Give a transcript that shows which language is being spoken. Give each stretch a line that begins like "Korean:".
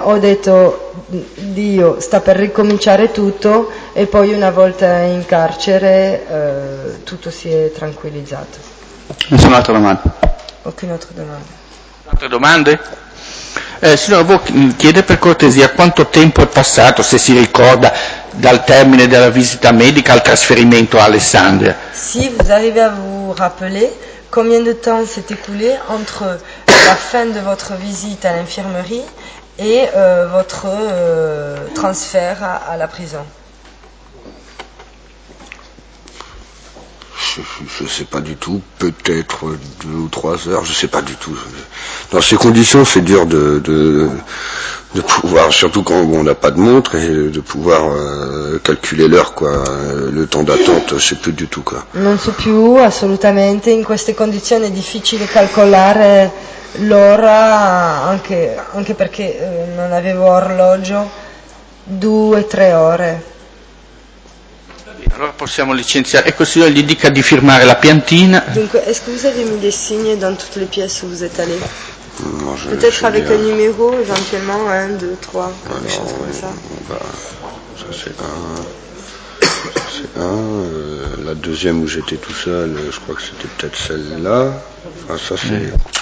Italian: Ho detto, Dio, sta per ricominciare tutto e poi una volta in carcere tutto si è tranquillizzato. Nessuna altra domanda? Alcune altre domande? Altre domande? Signora, chiede per cortesia quanto tempo è passato, se si ricorda, dal termine della visita medica al trasferimento a Alessandria.
French: Si, vous arrivez à vous rappeler combien de temps s'est écoulé entre la fin de votre visite à l'infirmerie et votre transfert à la prison. Je sais pas du tout, peut-être 2 ou 3 heures, je sais pas du tout. Dans ces conditions, c'est dur de pouvoir, surtout quand on n'a pas de montre, et de pouvoir calculer l'heure, quoi. Le temps d'attente, je sais plus du tout, quoi.
Italian: Non so più, assolutamente. In queste condizioni è difficile calcolare l'ora, anche perché non avevo orologio. 2 o 3 ore. Allora possiamo licenziare. Ecco, signore, gli dica di firmare la piantina.
French: Dunque, est-ce que vous avez mis des signes dans toutes les pièces où vous êtes allé? Non, peut-être avec un numéro, éventuellement, 1, 2, 3, quelque chose comme ça. Bah, ça c'est 1, c'est un. La deuxième où j'étais tout seul, je crois que c'était peut-être celle-là. Enfin, ça c'est...